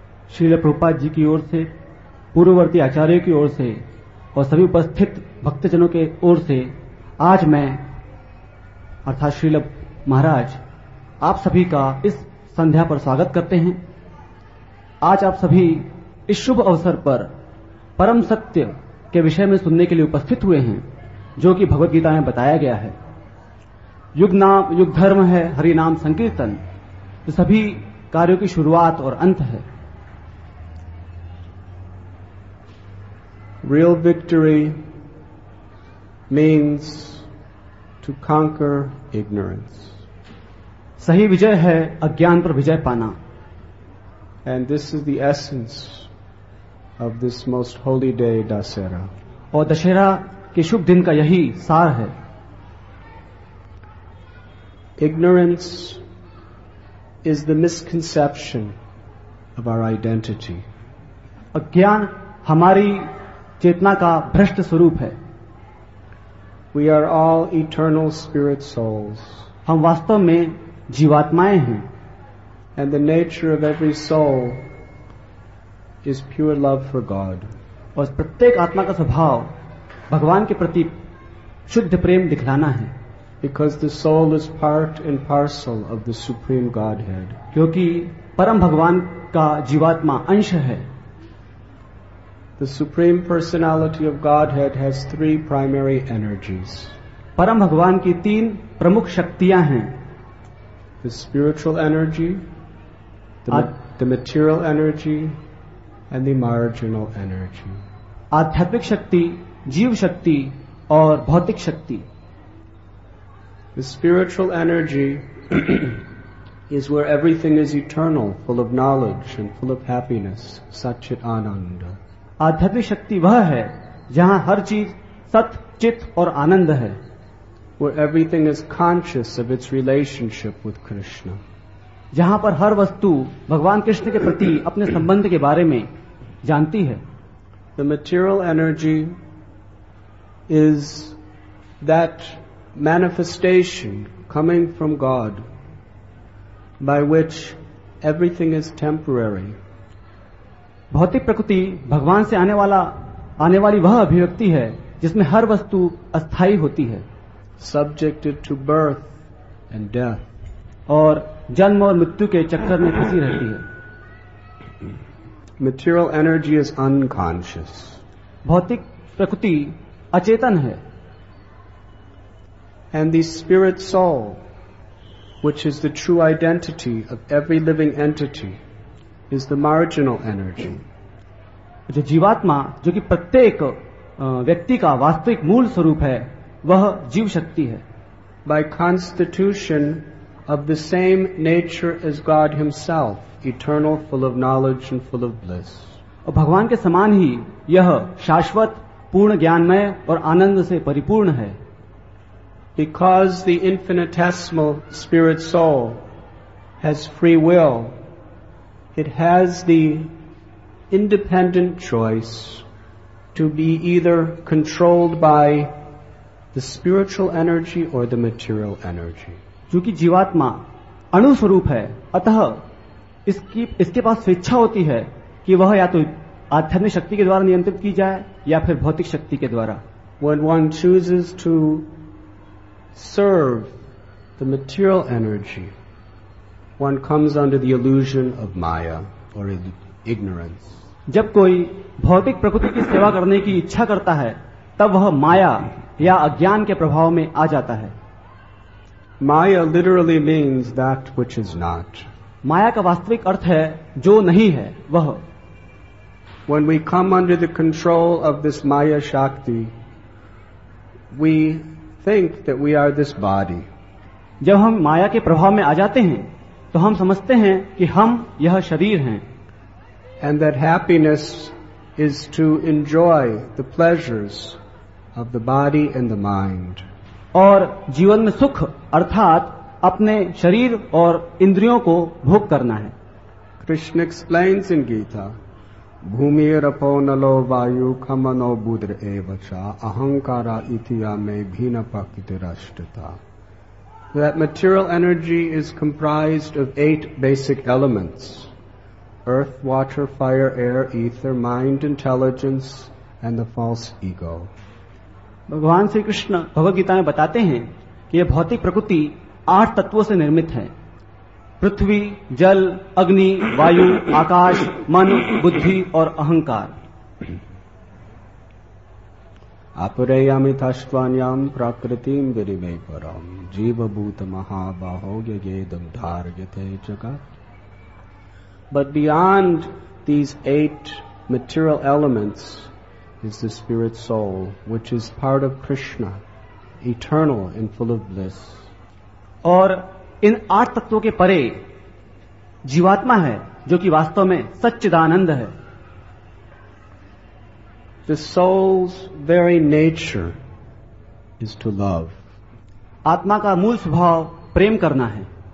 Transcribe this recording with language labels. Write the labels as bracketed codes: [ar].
[hi] Srila Prabhupada ji ki or se, Purvavarti Acharya ki or se, aur sabhi upasthit bhaktajanon ke or se, आज मैं अर्थात श्रील महाराज आप सभी का इस संध्या पर स्वागत करते हैं। आज आप सभी इस शुभ अवसर पर परम सत्य के विषय में सुनने के लिए उपस्थित हुए हैं, जो कि भगवद गीता में बताया गया है। युग नाम युग धर्म है हरि नाम संकीर्तन, जो सभी कार्यों की शुरुआत और अंत है। [en] Real victory means to conquer ignorance. [hi] Sahi vijay hai agyan par vijay pana. [en] And this is the essence of this most holy day, Dasara. [hi] Aur Dasara ke shubh din ka yahi saar hai. [en] Ignorance is the misconception of our identity. [hi] Agyan hamari chetna ka bhrasht swarup hai. [en] We are all eternal spirit souls. [hi] हम वास्तव में जीवात्माएं हैं। [en] And the nature of every soul is pure love for God. [hi] और प्रत्येक आत्मा का स्वभाव भगवान के प्रति शुद्ध प्रेम दिखलाना है। [en] Because the soul is part and parcel of the Supreme Godhead. [hi] क्योंकि परम भगवान का जीवात्मा अंश है। [en] The Supreme Personality of Godhead has three primary energies. [hi] Param Bhagwan ki teen pramukh shaktiyan hain. [en] The spiritual energy, the material energy, and the marginal energy. [hi] Adhyatmik shakti, jeev shakti, aur bhautik shakti. [en] The spiritual energy is where everything is eternal, full of knowledge and full of happiness, Satchit Ananda. [hi] आध्यात्मिक शक्ति वह है जहां हर चीज सत चित और आनंद है। [en] Where everything is conscious of its relationship with Krishna. [hi] जहां पर हर वस्तु भगवान कृष्ण के प्रति अपने संबंध के बारे में जानती है। [en] The material energy is that manifestation coming from God by which everything is temporary. [hi] भौतिक प्रकृति भगवान से आने वाली वह अभिव्यक्ति है जिसमें हर वस्तु अस्थाई होती है। [en] subjected to birth and death, [hi] और जन्म और मृत्यु के चक्कर में फंसी रहती है। [en] material energy is unconscious, [hi] भौतिक प्रकृति अचेतन है। [en] And the spirit soul which is the true identity of every living entity is the marginal energy. [hi] जो जीवात्मा जो कि प्रत्येक व्यक्ति का वास्तविक मूल स्वरूप है वह जीव शक्ति है। [en] By constitution of the same nature as God himself, eternal, full of knowledge and full of bliss. और भगवान के समान ही यह शाश्वत पूर्ण ज्ञानमय और आनंद से परिपूर्ण है। Because the infinitesimal spirit soul has free will, it has the independent choice to be either controlled by the spiritual energy or the material energy. [hi] क्योंकि जीवात्मा अणु स्वरूप है, अतः इसकी इसके पास स्वेच्छा होती है कि वह या तो आध्यात्मिक शक्ति के द्वारा नियंत्रित की जाए या फिर भौतिक शक्ति के द्वारा. [en] When one chooses to serve the material energy, one comes under the illusion of maya or ignorance. [hi] जब कोई भौतिक प्रकृति की सेवा करने की इच्छा करता है तब वह माया या अज्ञान के प्रभाव में आ जाता है. [en] Maya literally means that which is not. [hi] माया का वास्तविक अर्थ है जो नहीं है वह. [en] When we come under the control of this Maya Shakti, we think that we are this body. [hi] जब हम माया के प्रभाव में आ जाते हैं तो हम समझते हैं कि हम यह शरीर हैं. [en] And that happiness is to enjoy the pleasures of the body and the mind. [hi] और जीवन में सुख अर्थात अपने शरीर और इंद्रियों को भोग करना है. [en] Krishna explains in Gita [sa] भूमि रपो नलो वायु खमनो बुद्र एवचा अहंकारा इतिया में भीन पकृतिराष्ट्रता. [en] That material energy is comprised of 8 basic elements: earth, water, fire, air, ether, mind, intelligence, and the false ego. [hi] भगवान श्री कृष्ण भगवद गीता में बताते हैं कि यह भौतिक प्रकृति 8 तत्वों से निर्मित है: पृथ्वी, जल, अग्नि, वायु, आकाश, मन, बुद्धि और अहंकार. [sa] अपरेयमिताश्वान्याम प्रकृतिम विनिमय परम जीव भूत महाबाहो यगेदम धारयते चका. [en] But beyond these 8 material elements is the spirit soul, which is part of Krishna, eternal and full of bliss. [hi] और इन 8 तत्वों के परे जीवात्मा है जो कि वास्तव में सच्चिदानंद है. [en] The soul's very nature is to love. [hi] आत्मा का मूल स्वभाव प्रेम करना है.